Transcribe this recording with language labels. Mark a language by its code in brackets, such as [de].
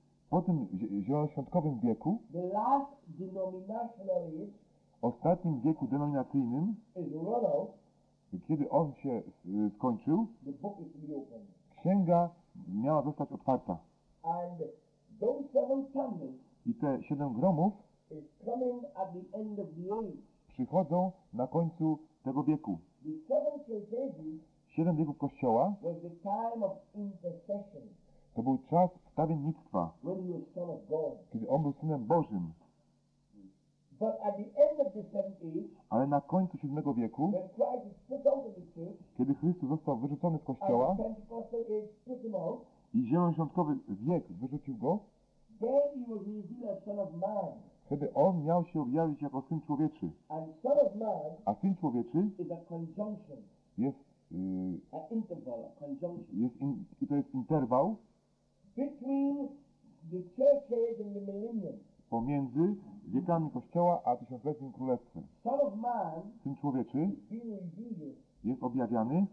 [pl] Po tym zielonoświątkowym wieku, [en] the last denominational age, [pl] ostatnim wieku denominacyjnym, [en] is run out, [pl] kiedy on się skończył, [en] the book is reopened. [pl] Księga miała zostać otwarta. [en] And those seven thunders, [pl] i te siedem gromów, [en] is coming at the end of the age, [pl] przychodzą na końcu tego wieku. [en] The seven churches, [pl] siedem wieków Kościoła, [en] was the time of intercession, [pl] to był czas wstawiennictwa, [en] when he was son of God, [pl] kiedy on był Synem Bożym. [en] But at the end of the seventh age, [pl] ale na końcu siódmego wieku, [en] when Christ was put out of the church, [pl] kiedy Chrystus został wyrzucony z Kościoła, [en] and the Pentecostal age put him out, [pl] i zielonoświątkowy wiek wyrzucił go, [en] then he was revealed as son of man, [pl] wtedy on miał się objawić jako Syn Człowieczy. [en] And son of man, [pl] a Syn Człowieczy [en] is a conjunction, [pl] jest [en] an interval, a conjunction. [pl] Jest to jest interwał [en] between the church age and the millennium, [pl] pomiędzy wiekami Kościoła a tysiącletnim królestwem. [en] Son of man, [pl] Syn Człowieczy jest objawiany